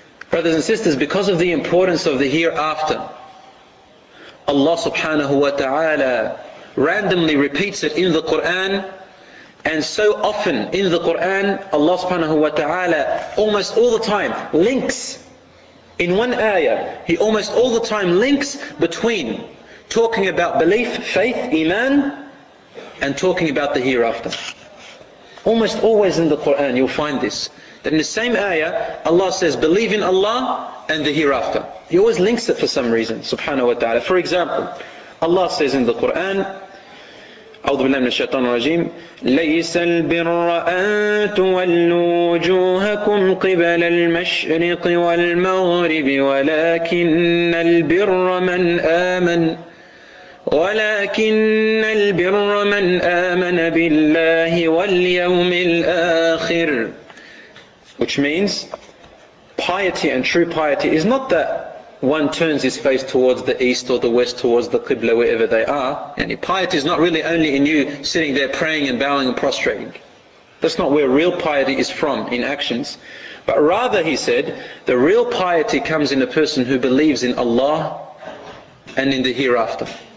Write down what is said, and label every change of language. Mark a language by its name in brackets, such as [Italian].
[English] Brothers and sisters, because of the importance of the hereafter, Allah subhanahu wa ta'ala randomly repeats it in the Quran, and so often in the Quran Allah subhanahu wa ta'ala almost all the time links in one ayah, He almost all the time links between talking about belief, faith, iman, and talking about the hereafter. Almost always in the Quran you'll find this, that in the same ayah Allah says believe in Allah and the hereafter. He always links it for some reason, subhanahu wa ta'ala. For example, Allah says in the Quran, [Arabic] أعوذ بالله من الشيطان الرجيم, ليس البر أن تولوا وجوهكم قبل المشرق والمغرب ولكن البر من آمن بالله واليوم الآخر. [English] Which means, piety and true piety is not that one turns his face towards the east or the west, towards the Qibla, wherever they are. And piety is not really only in you sitting there praying and bowing and prostrating. That's not where real piety is from in actions. But rather, he said, the real piety comes in a person who believes in Allah and in the hereafter.